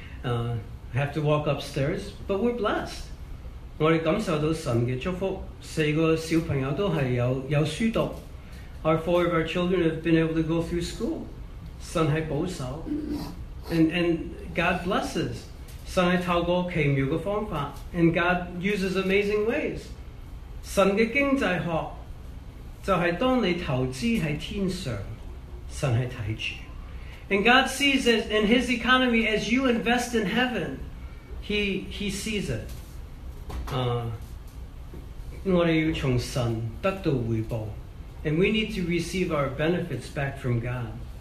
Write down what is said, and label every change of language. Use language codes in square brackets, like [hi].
[en] I have to walk upstairs, but we're blessed. [zh] 我们感受到神的祝福，四个小朋友都是有书读。 [en] Our four of our children have been able to go through school. [zh] 神是保守， [en] and God blesses. [zh] 神是透过奇妙的方法， [en] and God uses amazing ways. [zh] 神的经济学就是当你投资是天上， 神是太主。 [en] And God sees it in His economy as you invest in heaven. He sees it. [zh] 我们要从神得到回报， [en] and we need to receive our benefits back from God.